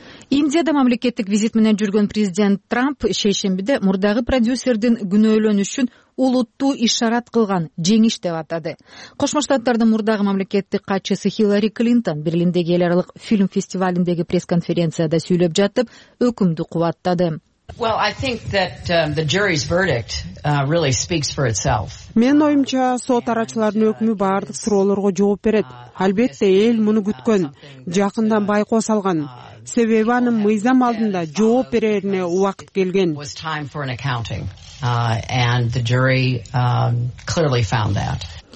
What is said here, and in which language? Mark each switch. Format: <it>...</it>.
<ky>Индияда мамлекеттик визит менен жүргөн президент Трамп шейшембиде мурдагы продюсердин күнөөлөнүшүн улуттуу ишарат кылган жеңиш деп атады. Кошмо Штаттардын мурдагы мамлекеттик катчысы Хиллари Клинтон Берлиндеги эл аралык фильм фестивалиндеги пресс-конференцияда сүйлөп жатып, өкүмдү кубаттады.</ky> <en>Well, I think that the jury's verdict really speaks for itself.</en> <ky>Мен оюмча сот арачыларынын өкүмү баардык суроолорго жооп берет. Албетте, эл муну күткөн, жакындан байкоо салган. Себеби анын мыйзам алдында жооп берерине убакыт келген.</ky> <en>And the jury clearly found that.</en>